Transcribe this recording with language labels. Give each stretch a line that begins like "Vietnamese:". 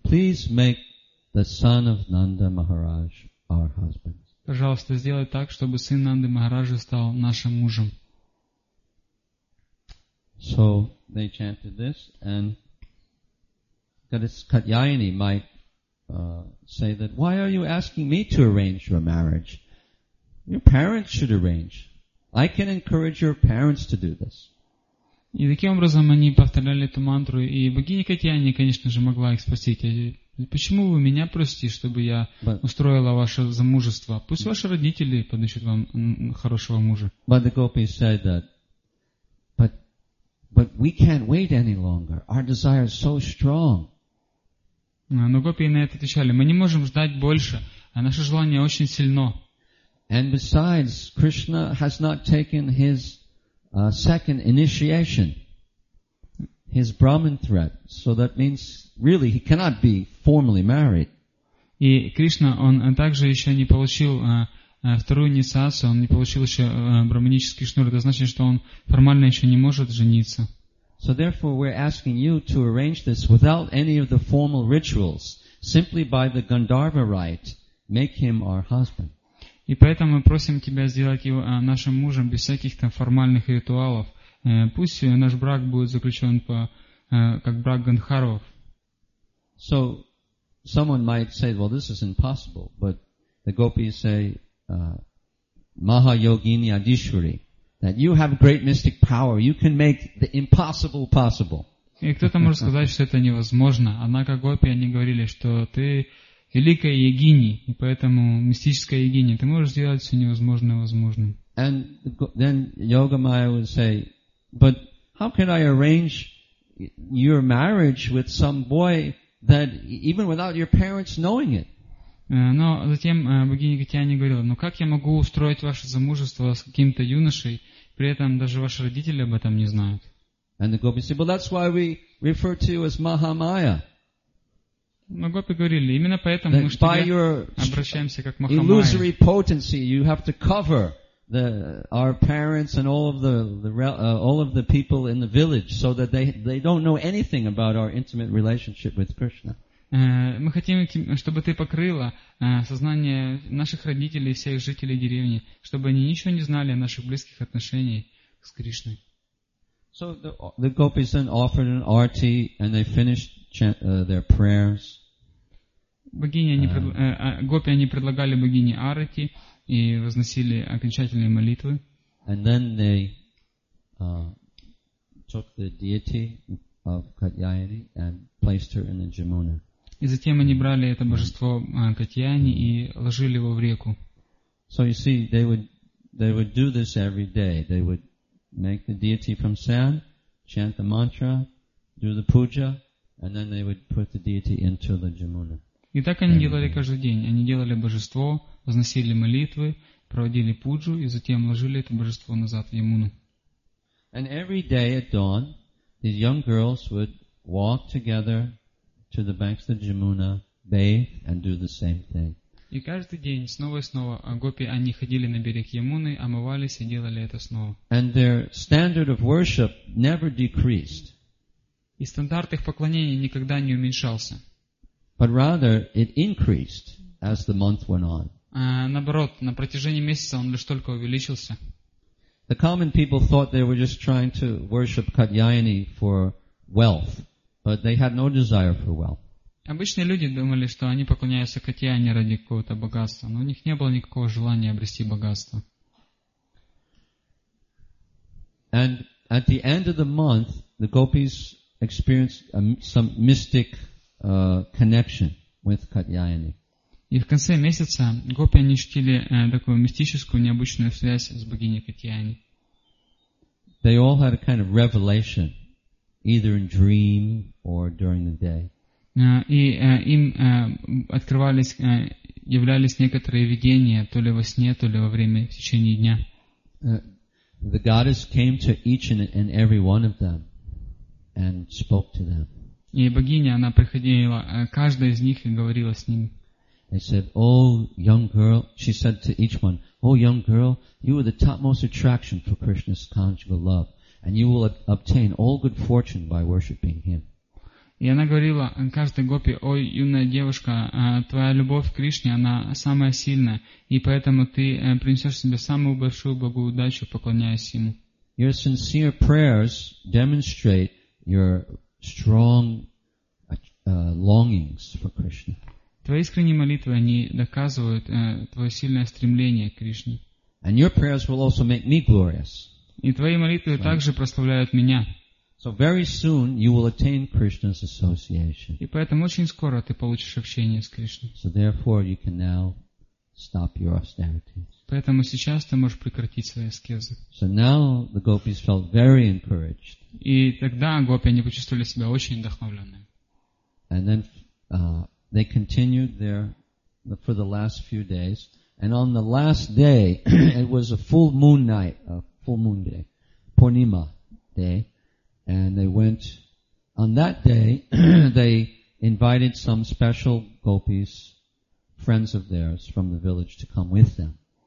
English: Please make the son of Nanda Maharaj, our husband.
Russian: Пожалуйста, сделай так, чтобы сын Нанды Махараджа стал нашим мужем.
English: So they chanted this, and Katyayani might say that, why are you asking me to arrange your marriage? Your parents should arrange. I can encourage your parents to do this.
Russian: И таким образом они повторяли эту мантру, и богиня Катьяяни, конечно же, могла их спросить. Почему вы меня просите, чтобы я устроила ваше замужество? Пусть ваши родители подыщут вам хорошего мужа.
English: But the gopis said that. But we can't wait any longer. Our desire is so strong.
Russian: Но гопи на это отвечали. Мы не можем ждать больше. А наше желание очень сильно.
English: And besides, Krishna has not taken his second initiation. His Brahmin threat. So that means, really, he cannot be formally married.
Russian: И Кришна, он также еще не получил вторую инициацию, он не получил еще брахманический шнур. Это значит, что он формально еще не может жениться.
English: So therefore, we're asking you to arrange this without any of the formal rituals, simply by the Gandharva rite, make him our husband.
Russian: И поэтому мы просим тебя сделать его нашим мужем без всяких там формальных ритуалов. Пусть наш брак будет заключен по как брак Гандхаров.
English: So someone might say, well, this is impossible, but the gopis say, Maha Yogini Adishwari, that you have great mystic power, you can make the impossible possible.
Russian: И кто-то может сказать, что это невозможно, однако гопи они говорили, что ты великая йогини, и поэтому мистическая йогини, ты можешь сделать все невозможное возможным.
English: And then Yogamaya would say, but how can I arrange your marriage with some boy that even without your parents knowing it?
Russian: Но затем богиня Катьяяни говорила, ну как я могу устроить ваше замужество с каким-то юношей, при этом даже ваши родители об этом не знают.
English: And the gopis said, well, that's why we refer to you as Mahamaya.
Russian: Но гопи говорили, именно поэтому мы к тебе обращаемся как Махамая.
English: Illusory potency, you have to cover our parents and all of the people in the village, so that they don't know anything about our intimate relationship with Krishna.
Russian: Мы хотим, чтобы ты покрыла сознание наших родителей и всех жителей деревни, чтобы они ничего не знали о наших близких отношениях с Кришной.
English: So the gopis then offered an arti, and they finished their prayers.
Russian: Гопи они предлагали богине арти. И возносили окончательные молитвы.
English: And then they took the deity of Katyayani and placed her in the Jamuna.
Russian: И затем они брали это божество Катьяяни и ложили его в реку.
English: So you see, they would do this every day. They would make the deity from sand, chant the mantra, do the puja, and then they would put the deity into the Jamuna.
Russian: И так они делали каждый день. Они делали божество, возносили молитвы, проводили пуджу и затем ложили это божество назад в Ямуну.
English: And every day at dawn, these young girls would walk together to the banks of the Jamuna, bathe, and do the same thing.
Russian: И каждый день снова и снова гопи они ходили на берег Ямуны, омывались и делали это снова.
English: And their standard of worship never decreased.
Russian: И стандарт их поклонения никогда не уменьшался.
English: But rather it increased as the month went on.
Russian: Наоборот, на протяжении месяца он лишь только увеличился.
English: The common people thought they were just trying to worship Катьяйани for wealth, but they had no desire for wealth.
Russian: Обычные люди думали, что они поклоняются Катьяйани ради какого-то богатства, но у них не было никакого желания обрести богатство.
English: And at the end of the month, the gopis experienced some mystic connection with Катьяйани.
Russian: И в конце месяца гопи они ощутили такую мистическую, необычную связь с богиней Катьяйани.
English: They all had a kind of revelation, either in dream or during the day.
Russian: Им открывались, являлись некоторые видения, то ли во сне, то ли во время, в течение дня.
English: The goddess came to each and every one of them and spoke to them.
Russian: И богиня, она приходила, каждая из них и говорила с ними.
English: They said, "Oh, young girl," she said to each one, "Oh, young girl, you are the topmost attraction for Krishna's conjugal love, and you will obtain all good fortune by worshiping him."
Russian: И она говорила каждой гопи: «Ой, юная девушка, твоя любовь к Кришне, она самая сильная, и поэтому ты принесешь себе самую большую благую удачу, поклоняясь Ему».
English: Your sincere prayers demonstrate your strong longings for Krishna.
Russian: Твои искренние молитвы, они доказывают твое сильное стремление к Кришне.
English: And your prayers will also make me glorious.
Russian: И твои молитвы также прославляют меня.
English: So very soon you will attain Krishna's association.
Russian: И поэтому очень скоро ты получишь общение с Кришной.
English: So therefore you can now stop your austerities.
Russian: Поэтому сейчас ты можешь прекратить свои аскезы.
English: So now the gopis felt very encouraged.
Russian: И тогда гопи они почувствовали себя очень вдохновленными.
English: And then they continued there for the last few days. And on the last day, it was a full moon night, a full moon day, Purnima day. And they went on that day. They invited some special gopis, friends of theirs from the village, to come with them.